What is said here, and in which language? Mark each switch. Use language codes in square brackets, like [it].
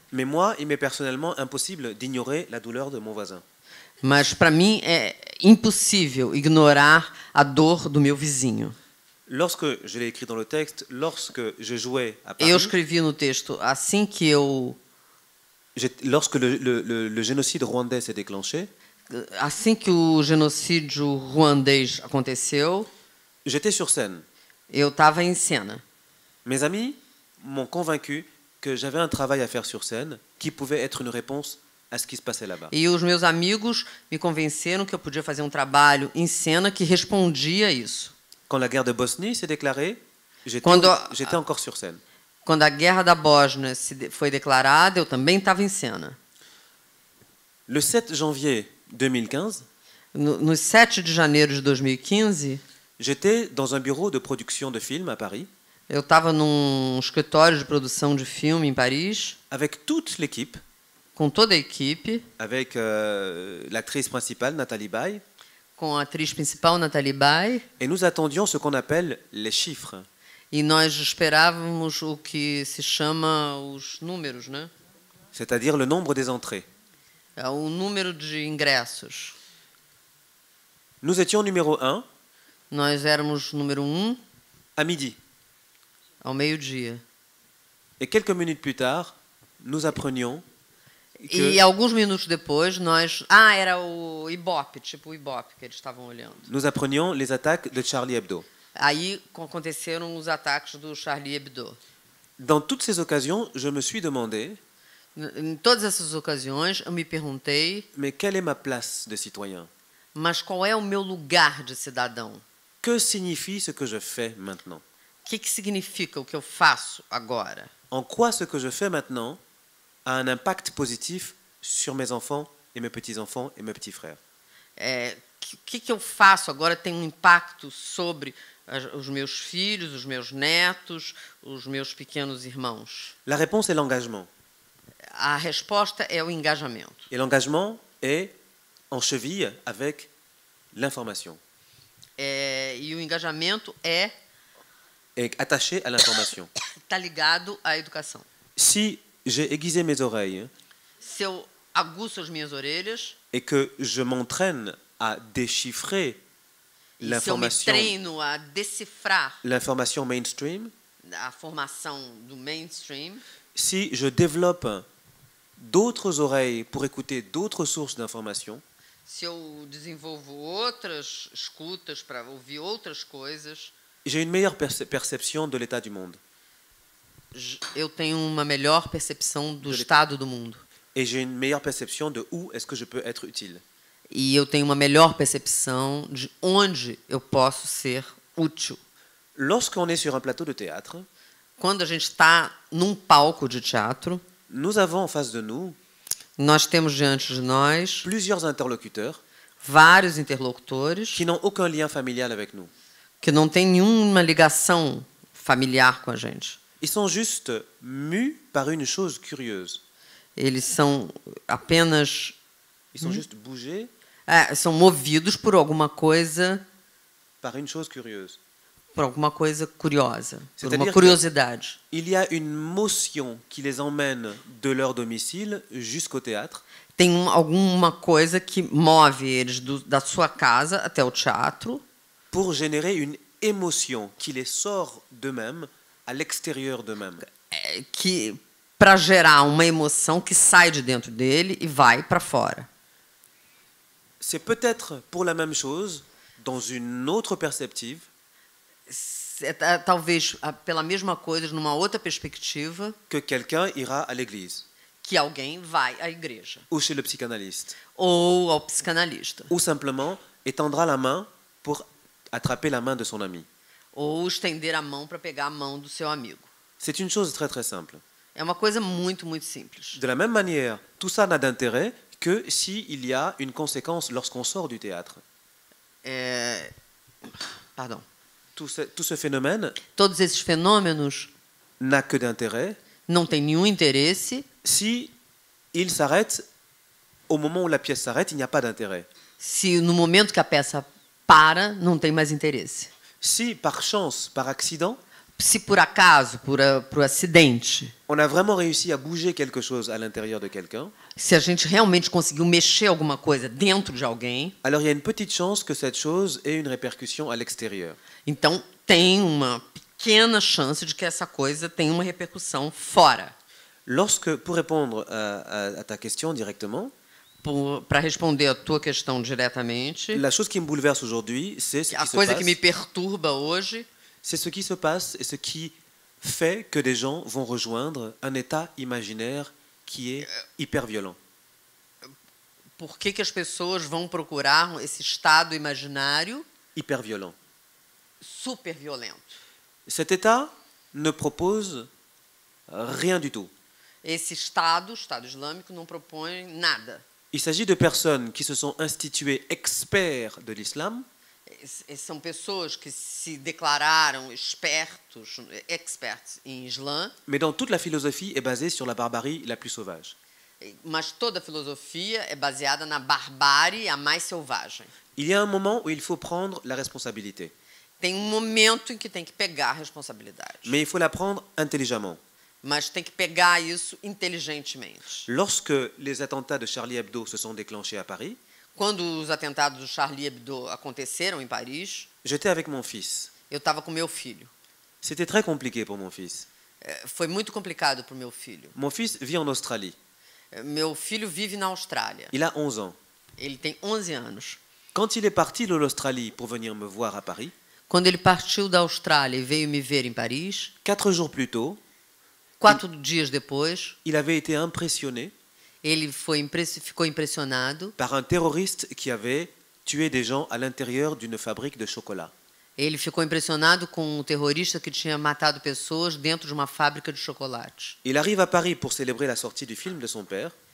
[fr] Mais moi, il m'est personnellement impossible d'ignorer la douleur de mon voisin. [pt] Mas para mim é impossível ignorar a dor do meu vizinho. [fr] Lorsque je l'ai écrit dans le texte, lorsque je jouais à Paris. [pt] Eu escrevi no texto assim que eu [fr] lorsque le génocide rwandais s'est déclenché. [pt] Assim que o genocídio ruandês aconteceu. [fr] J'étais sur scène. [pt] Eu estava em cena. [fr] Mes amis m'ont convaincu que j'avais un travail à faire sur scène qui pouvait être une réponse à ce qui se passait là-bas. [pt] E os meus amigos me convenceram que eu podia fazer um trabalho em cena que respondia a isso. [fr] Quand la guerre de Bosnie s'est déclarée, j'étais encore sur scène. [pt] Quando a guerra da Bósnia foi declarada, eu também estava em cena. [fr] Le 7 janvier 2015, [pt] no 7 de janeiro de 2015, [fr] j'étais dans un bureau de production de film à Paris. [pt] Eu estava num escritório de produção de filme em Paris. [fr] Avec toute l'équipe. [pt] Com toda a equipe. [fr] Avec l'actrice principale Nathalie Baye. [pt] Com a atriz principal Nathalie Baye. [fr] Et nous attendions ce qu'on appelle les chiffres. [pt] E nós esperávamos o que se chama os números, né? [fr] C'est-à-dire le nombre des entrées. [pt] É o número de ingressos. [fr] Nous étions numéro 1. [pt] Nós éramos número 1. [fr] À midi. [pt] Ao meio-dia. [fr] Et quelques minutes plus tard, nous apprenions que [pt] e alguns minutos depois, nós era o Ibope, tipo o Ibope que eles estavam olhando. [fr] Nous apprenions les attaques de Charlie Hebdo. [pt] Aí aconteceram os ataques do Charlie Hebdo. [fr] Dans toutes ces occasions, je me suis demandé [pt] em todas essas ocasiões, eu me perguntei [fr] mais quelle est ma place de citoyen? [pt] Mas qual é o meu lugar de cidadão? [fr] Que signifie ce que je fais maintenant? [pt] O que significa o que eu faço agora? [fr] En quoi ce que je fais maintenant a un impact positif sur mes enfants et mes petits-enfants et mes petits frères? [pt] É, que eu faço agora tem um impacto sobre os meus filhos, os meus netos, os meus pequenos irmãos? [fr] La réponse est l'engagement. [pt] A resposta é o engajamento. [fr] Et l'engagement est en cheville avec l'information. [pt] E o engajamento é [fr] attaché à l'information. [pt] Tá ligado à educação. [fr] Si j'ai aiguisé mes oreilles. [pt] Se eu aguço as minhas orelhas. [fr] Et que je m'entraîne à déchiffrer l'information. [pt] Se eu me treino a decifrar. [fr] L'information mainstream. [pt] A formação do mainstream. [fr] Si je développe d'autres oreilles pour écouter d'autres sources d'information. [pt] Se eu desenvolvo outras escutas para ouvir outras coisas. [fr] J'ai une meilleure perception de l'état du monde. [pt] Eu tenho uma melhor percepção do estado do mundo. [fr] Et j'ai une meilleure perception de où est-ce que je peux être utile. [pt] E eu tenho uma melhor percepção de onde eu posso ser útil. [fr] Lorsqu'on est sur un plateau de théâtre, [pt] quando a gente está num palco de teatro, [fr] nous avons en face de nous, [pt] nós temos diante de nós, [fr] plusieurs interlocuteurs, [pt] vários interlocutores, [fr] qui n'ont aucun lien familial avec nous. [pt] Que não tem nenhuma ligação familiar com a gente. [fr] Ils sont juste mus par une chose curieuse. [pt] Eles são apenas... [fr] Ils sont juste bougés. [pt] São movidos por alguma coisa... [fr] Par une chose curieuse. [pt] Por alguma coisa curiosa. [fr] C'est [pt] por uma curiosidade. [fr] Il y a une motion qui les emmène de leur domicile jusqu'au théâtre. [pt] Tem alguma coisa que move eles da sua casa até o teatro. [fr] Pour générer une émotion qui les sort d'eux-mêmes à l'extérieur d'eux-mêmes. [pt] Que para gerar uma emoção que sai de dentro dele e vai para fora. [fr] C'est peut-être pour la même chose dans une autre perspective. [pt] Talvez pela mesma coisa numa outra perspectiva. [fr] Que quelqu'un ira à l'église. [pt] Que alguém vai à igreja. [fr] Ou chez le psychanalyste. [pt] Ou ao psicanalista. [fr] Ou simplement étendra la main pour attraper la main de son ami. [pt] Ou estender a mão para pegar a mão do seu amigo. [fr] C'est une chose très très simple. [pt] É uma coisa muito muito simples. [fr] De la même manière, tout ça n'a d'intérêt que si il y a une conséquence lorsqu'on sort du théâtre. Pardon. Tout ce phénomène. [pt] Todos esses fenômenos. [fr] N'a que d'intérêt. [pt] Não tem nenhum interesse. [fr] Si il s'arrête au moment où la pièce s'arrête, il n'y a pas d'intérêt. [pt] Se no momento que a peça para, não tem mais interesse. [fr] Si par chance, par accident. [pt] Se por acaso, por acidente. [fr] On a vraiment réussi à bouger quelque chose à l'intérieur de quelqu'un. [pt] Se a gente realmente conseguiu mexer alguma coisa dentro de alguém. [fr] Alors il y a une petite chance que cette chose ait une répercussion à l'extérieur. [pt] Então tem uma pequena chance de que essa coisa tenha uma repercussão fora. [fr] Lorsque pour répondre à ta question directement. [pt] Para responder à tua questão diretamente. [fr] La chose qui me bouleverse aujourd'hui, c'est ce qui se passe. [pt] A coisa que me perturba hoje. [fr] C'est ce qui se passe et ce qui fait que des gens vont rejoindre un état imaginaire qui est hyper violent. Pourquoi [pt] que as pessoas vão procurar esse estado imaginário [fr] hyper violent? [pt] Super violento. [fr] Cet état ne propose rien du tout. [pt] Esse estado islâmico não propõe nada. [fr] Il s'agit de personnes qui se sont instituées experts de l'islam. [pt] São pessoas que se declararam expertos em Islã. [fr] Mais dans toute la philosophie est basée sur la barbarie la plus sauvage. [pt] Mas toda a filosofia é baseada na barbárie a mais selvagem. [fr] Il y a un moment où il faut prendre la responsabilité. [pt] Tem um momento em que tem que pegar a responsabilidade. [fr] Mais il faut la prendre intelligemment. [pt] Mas tem que pegar isso inteligentemente. [fr] Lorsque les attentats de Charlie Hebdo se sont déclenchés à Paris. [pt] Quando os atentados do Charlie Hebdo aconteceram em Paris. [fr] J'étais avec mon fils. [pt] Eu estava com meu filho. [fr] C'était très compliqué pour mon fils. [pt] Foi muito complicado para o meu filho. [fr] Mon fils vit en Australie. [pt] Meu filho vive na Austrália. [fr] Il a 11 ans. [pt] Ele tem 11 anos. [fr] Quand il est parti de l'Australie pour venir me voir à Paris. [pt] Quando ele partiu da Austrália e veio me ver em Paris. [fr] 4 jours plus tôt. [pt] Quatro dias depois. [fr] Il avait été impressionné. [pt] Ele foi ficou impressionado. [fr] Par un terroriste qui avait tué des gens à l'intérieur d'une fabrique de chocolat. [pt] Ele ficou impressionado com um terrorista que tinha matado pessoas dentro de uma fábrica de chocolate. [fr] Il arrive à Paris pour célébrer la sortie du film de son père.